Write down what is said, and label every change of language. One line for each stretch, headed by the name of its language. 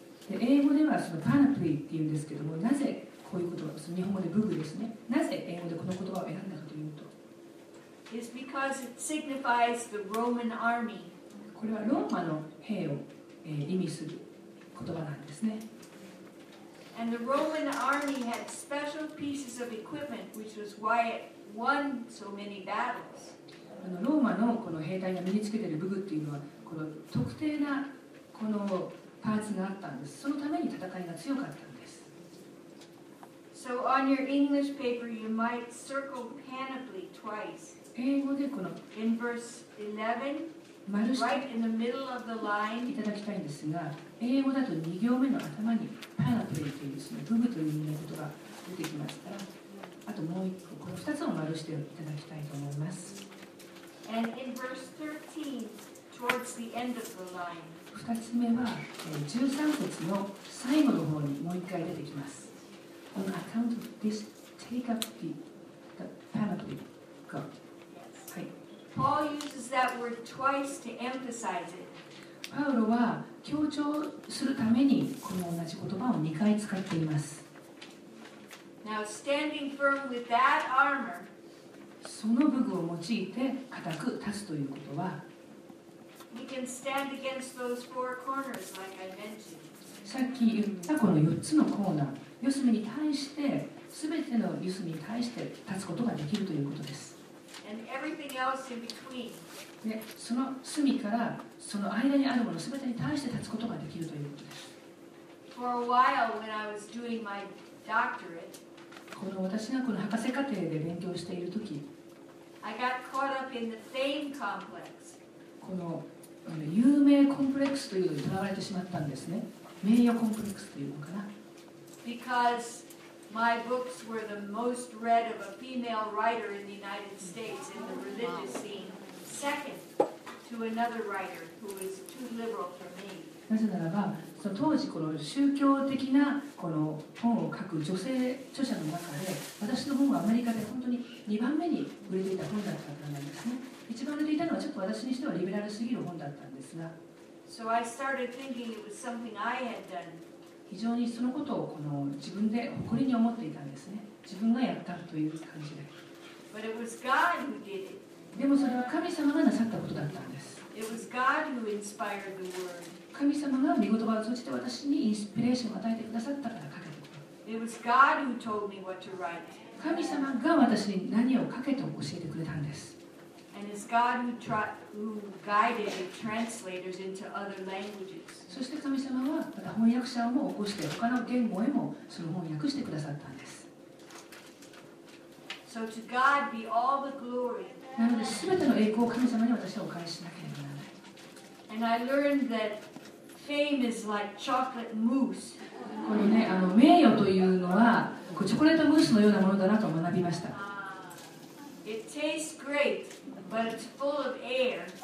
Japanese: で英語ではそのパナプリっていうんですけども、なぜこういう言葉、その日本語で武具ですね。なぜ英語でこの言葉を選んだかというと。
English: Is because it signifies the Roman army.
Japanese: これはローマの兵を、意味する言葉なんですね。
English: And the Roman army had special pieces of equipment, which was why it won so many battles.
Japanese: あのローマのこの兵隊が身につけている武具っていうのは、この特定なこのパーツがあったんです。そのために戦いが強かったんです。
English: So on your English paper, you might circle panoply twice.
Japanese: 英語でこの
English: in verse 11, right in the middle of the line,
Japanese: いただきたいんですが、英語だと2行目の頭にパナプリというですね、武具という意味のことが出てきますから、あともう一個、この2つを丸していただきたいと思います。
English: And in verse 13, towards the end of the line,
Japanese: 2つ目は、13節の最後の方にもう一回出てきます。
English: On account of this, take up the panoply, go. Yes. はい。 Paul uses that word twice to emphasize it.
Japanese: パウロは強調するためにこの同じ言葉を2回使っています。
English: Now, standing firm with that armor,
Japanese: その武具を用いて固く立つということは、
English: we can stand against those four corners, like I mentioned.
Japanese: さっき言ったこの4つのコーナー、四隅に対して、すべての四隅に対して立つことができるということです。
English: And everything else in between.
Japanese: でその隅からその間にあるものすべてに対して立つことができるということです。
English: For a while when I was doing my doctorate,
Japanese: この私がこの博士課程で勉強しているとき、
English: I got caught up in the fame complex.
Japanese: この有名コンプレックスというのにとらわれてしまったんですね。名誉コンプレックスというのかな。
English: Because my books were the most read of a female writer in the United States in the religious scene.
Japanese: なぜならば、その当時この宗教的なこの本を書く女性著者の中で、私の本はアメリカで本当に2番目に売れていた本だったからなんですね。一番売れていたのはちょっと私にしてはリベラルすぎる本だったんですが、
English: so、I started thinking it was something I had done.
Japanese: 非常にそのことをこの自分で誇りに思っていたんですね。自分がやったという感じで。
English: But it was God who did it.
Japanese: でもそれは神様がなさったことだったんです。
English: It was God who inspired the word.
Japanese: 神様が御言葉を通じて私にインスピレーションを与えてくださったから書けた。
English: It was God who told me what to write.
Japanese: 神様が私に何を書けと教えてくれたんです。
English: And it's God who guided the translators into other languages.
Japanese: そして神様はまた翻訳者も起こして他の言語へもその翻訳してくださったんです。
English: So to God be all the glory.
Japanese: なので全ての栄光を神様に私はお返ししなければならない。
English: And I learned that fame is like chocolate mousse.
Japanese: このね、名誉というのはこうチョコレートムースのようなものだなと学びました。
English: It tastes great, but it's full of air.